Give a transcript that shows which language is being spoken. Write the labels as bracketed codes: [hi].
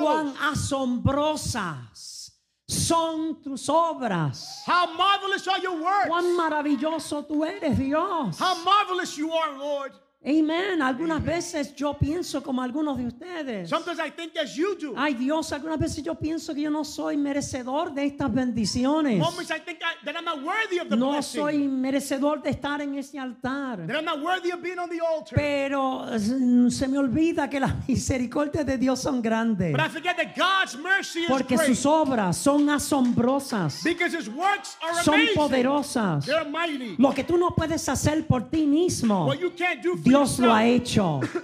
[es] cuán asombrosas son tus obras. [en] How marvelous are your works. [es] Cuán maravilloso tú eres, Dios. [en] How marvelous you are, Lord. [es] Amen. Algunas Amen. Veces yo pienso como algunos de ustedes. [en] Sometimes I think as you do. [es] Ay Dios, algunas veces yo pienso que yo no soy merecedor de estas bendiciones. [en] Moments I think that I'm not worthy of the [es] no [en] blessing. [es] Soy merecedor de estar en este altar. [en] That I'm not worthy of being on the altar. [es] Pero se me olvida que las misericordias de Dios son grandes. [en] But I forget that God's mercy is [es] porque [en] great. [es] Sus obras son asombrosas. [en] Because his works are [es] son [en] amazing. [es] Son poderosas. [en] They're mighty. [es] Lo que tú no puedes hacer por ti mismo. [en] What you can't do for [es] Dios lo ha hecho.